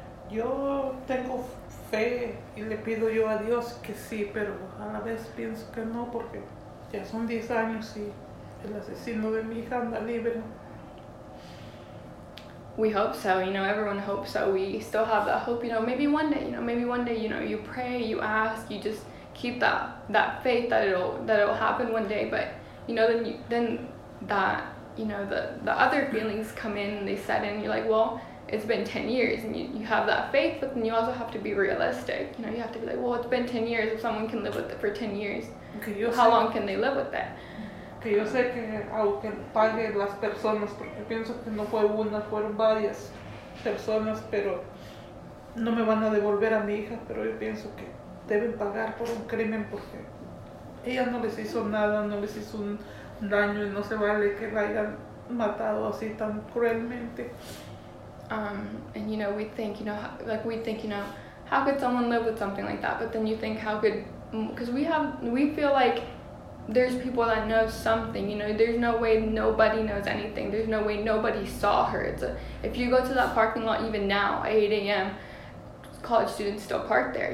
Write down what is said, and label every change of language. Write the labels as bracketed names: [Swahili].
[Spanish] Yo tengo fe y le pido yo a Dios que sí, pero a la vez pienso que no, porque ya son 10 años y el asesino de mi hija anda libre. [English] We hope so, you know, everyone hopes so. We still have that hope, you know, maybe one day, you know, maybe one day, you know, you pray, you ask, you just keep that faith that it'll happen one day, but, you know, then the other feelings come in, they set in, you're like, well, it's been 10 years, and you have that faith, but then you also have to be realistic. You know, you have to be like, well, it's been 10 years. If someone can live with it for 10 years, how long can they live with that? [Spanish] Que yo sé que aunque pague las personas, porque pienso que no fue una, fueron varias personas, pero no me van a devolver a mi hija, pero yo pienso que deben pagar por un crimen, porque ella no les hizo nada, no les hizo un daño, y no se vale que la hayan matado así tan cruelmente. [English] And you know, we think, you know, like we think, you know, how could someone live with something like that? But then you think, how could, because we feel like there's people that know something, you know, there's no way nobody knows anything. There's no way nobody saw her. If you go to that parking lot, even now at 8 a.m., college students still park there.